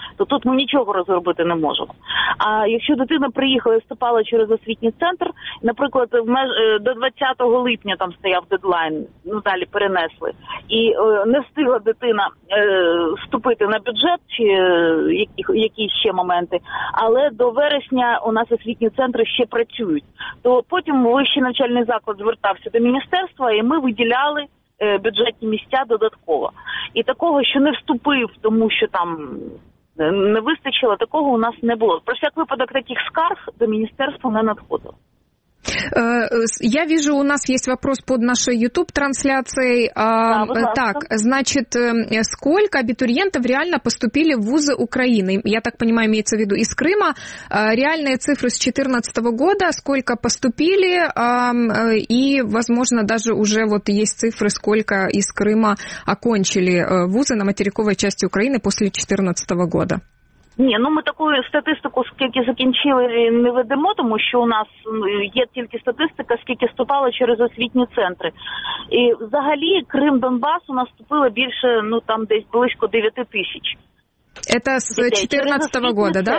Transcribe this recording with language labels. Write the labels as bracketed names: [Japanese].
[Ukrainian] Тут ми нічого розробити не можемо. А якщо дитина приїхала і вступала через освітній центр, наприклад, до 20 липня там стояв дедлайн, ну далі перенесли, і не встигла дитина вступити на бюджет чи якісь ще моменти, але до вересня у нас освітні центри ще працюють, то потім вищий навчальний заклад звертався до міністерства, і ми виділяли бюджетні місця додатково. І такого, що не вступив, тому що там не вистачило, такого у нас не було. Про всяк випадок таких скарг до міністерства не надходило. [Russian] Я вижу, у нас есть вопрос под нашей YouTube-трансляцией. Да, так, значит, сколько абитуриентов реально поступили в вузы Украины? Я так понимаю, имеется в виду из Крыма. Реальные цифры с 2014 года, сколько поступили, и, возможно, даже уже вот есть цифры, сколько из Крыма окончили вузы на материковой части Украины после 2014 года. [Ukrainian] Ні, ну ми таку статистику, скільки закінчили, не ведемо, тому що у нас є тільки статистика, скільки вступало через освітні центри. І взагалі Крим-Донбас у нас вступило більше, ну там десь близько 9 тисяч. [Russian] Это с 2014 года, да?